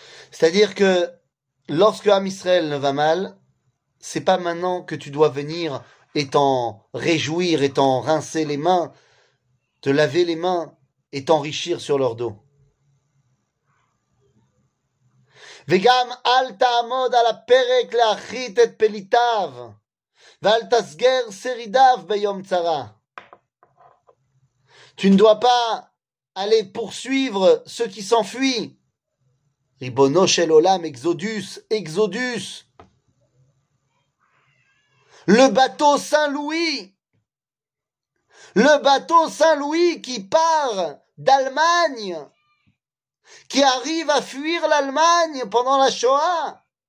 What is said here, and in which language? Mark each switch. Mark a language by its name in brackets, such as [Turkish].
[French] C'est-à-dire que lorsque Am Israël ne va mal, c'est pas maintenant que tu dois venir et t'en réjouir et t'en rincer les mains, te laver les mains et t'enrichir sur leur dos. [Hebrew] וגם אל תעמוד על הפרק להחית את פליטיו, ואל תסגר שרידיו ביום צרה. [French] Tu ne dois pas aller poursuivre ceux qui s'enfuient. [Hebrew] Ribono shel olam, [English] Exodus, Exodus. [French] Le bateau Saint-Louis, le bateau Saint-Louis qui part d'Allemagne, qui arrive à fuir l'Allemagne pendant la Shoah,